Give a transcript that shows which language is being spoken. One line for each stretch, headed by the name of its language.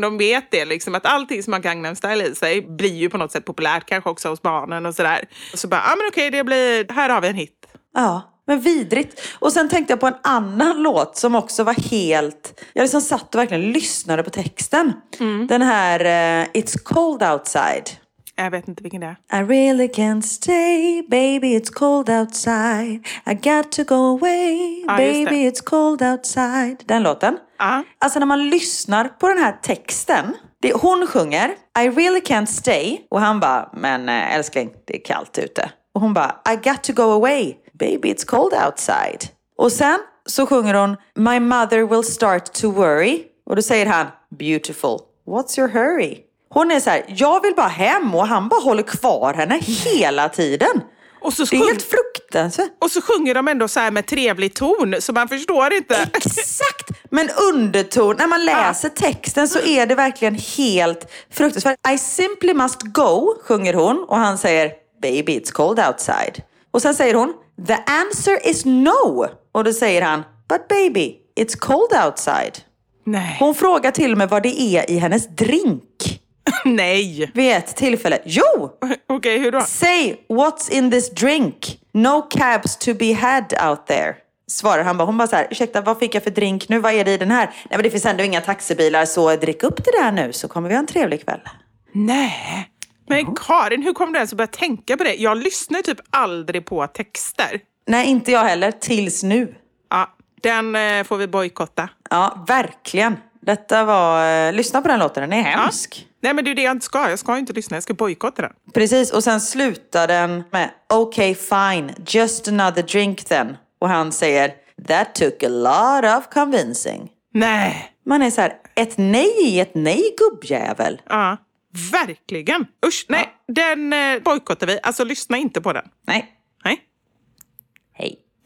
Swedish: De vet det liksom, att allting som man kan Gangnam Style i sig blir ju på något sätt populärt, kanske också hos barnen och sådär. Och så bara, ja men okej, det blir, här har vi en hit. Ja, men vidrigt. Och sen tänkte jag på en annan låt som också var helt... Jag liksom satt och verkligen lyssnade på texten. Mm. Den här It's Cold Outside. Jag vet inte vilken det är.
English: I really can't stay, baby it's cold outside. I got to go away, baby it's cold outside.
Swedish: Den låten. Alltså när man lyssnar på den här texten. Det, hon sjunger, I really can't stay. Och han bara, men älskling, det är kallt ute. Och hon bara, I got to go away, baby it's cold outside. Och sen så sjunger hon, my mother will start to worry. Och då säger han, beautiful, what's your hurry? Hon är så här, jag vill bara hem, och han bara håller kvar henne hela tiden. Och så det är helt fruktansvärt. Och så sjunger de ändå så här med trevlig ton, så man förstår inte. Exakt, men underton, när man läser texten så är det verkligen helt fruktansvärt. I simply must go, sjunger hon, och han säger, baby it's cold outside. Och sen säger hon, the answer is no. Och då säger han, but baby, it's cold outside. Nej. Hon frågar till och med vad det är i hennes drink. Nej. Vid ett tillfälle. Jo! Okej, hur då?
English: Say, what's in this drink? No cabs to be had out there.
Swedish: Svarar han bara. Hon bara så här, ursäkta, vad fick jag för drink nu? Vad är det i den här? Nej, men det finns ändå inga taxibilar, så drick upp det där nu så kommer vi ha en trevlig kväll. Nej. Men Karin, hur kom du ens att börja tänka på det? Jag lyssnar typ aldrig på texter. Nej, inte jag heller. Tills nu. Ja, den får vi bojkotta. Ja, verkligen. Detta var... Lyssna på den låten, den är hemsk. Ja. Nej, men det är det jag inte ska. Jag ska inte lyssna. Jag ska bojkotta den. Precis, och sen slutar den med okay, fine, just another drink then. Och han säger, that took a lot of convincing. Nej. Man är så här, ett nej i ett nej, gubbjävel. Ja, verkligen. Usch, nej, den bojkottar vi. Alltså, lyssna inte på den. Nej. Nej. Hej.